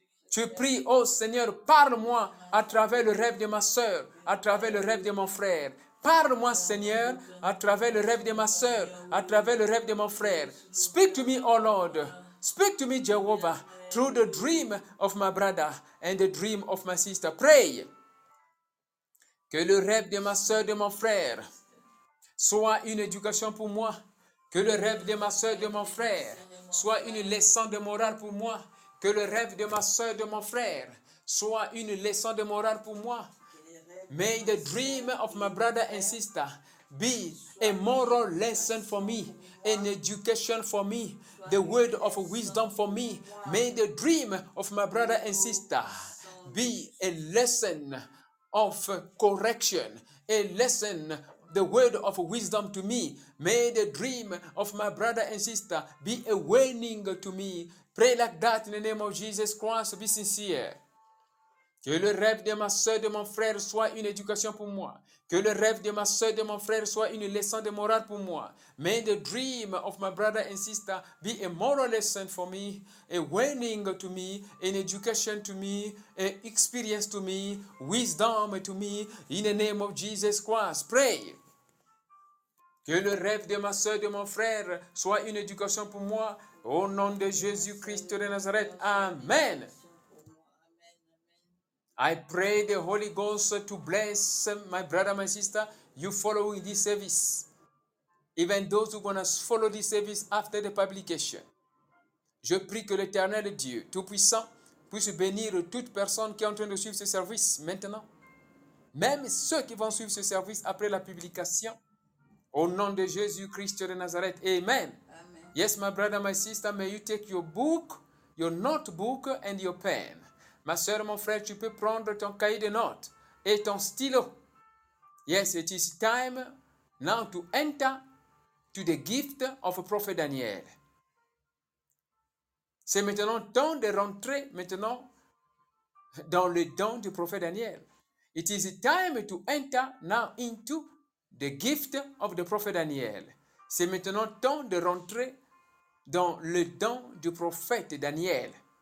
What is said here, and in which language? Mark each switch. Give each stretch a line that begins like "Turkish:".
French: Tu pries, oh Seigneur, parle-moi à travers le rêve de ma soeur, à travers le rêve de mon frère. Parle-moi, Seigneur, à travers le rêve de ma soeur, à travers le rêve de mon frère.
English: Speak to me, oh Lord. Speak to me, Jehovah, through the dream of my brother and the dream of my sister. Pray.
French: Que le rêve de ma soeur, de mon frère, soit une éducation pour moi. Que le rêve de ma soeur, de mon frère, soit une leçon de morale pour moi. Que le rêve de ma soeur, de mon frère, soit une leçon de morale pour moi.
English: May the dream of my brother and sister be a moral lesson for me, an education for me, the word of wisdom for me. May the dream of my brother and sister be a lesson of correction, a lesson, the word of wisdom to me. May the dream of my brother and sister be a warning to me. Pray like that in the name of Jesus Christ. Be sincere.
French: Que le rêve de ma soeur, de mon frère soit une éducation pour moi. Que le rêve de ma soeur, de mon frère soit une leçon de morale pour moi.
English: May the dream of my brother and sister be a moral lesson for me, a warning to me, an education to me, an experience to me, wisdom to me, in the name of Jesus Christ. Pray.
French: Que le rêve de ma soeur et de mon frère soit une éducation pour moi. Au nom de Jésus-Christ de Nazareth. Amen.
English: I pray the Holy Ghost to bless my brother, my sister, you following this service. Even those who are going to follow this service after the publication.
French: Je prie que l'Éternel Dieu Tout-Puissant puisse bénir toute personne qui est en train de suivre ce service maintenant. Même ceux qui vont suivre ce service après la publication. Au nom de Jésus-Christ de Nazareth. Amen. Amen.
English: Yes, my brother, my sister, may you take your book, your notebook and your pen.
French: Ma soeur, mon frère, tu peux prendre ton cahier de notes et ton stylo.
English: Yes, it is time now to enter to the gift of Prophet Daniel.
French: C'est maintenant temps de rentrer maintenant dans le don du prophète Daniel.
English: It is time to enter now into the gift of the prophet Daniel.
French: C'est maintenant temps de rentrer dans le don du prophète Daniel.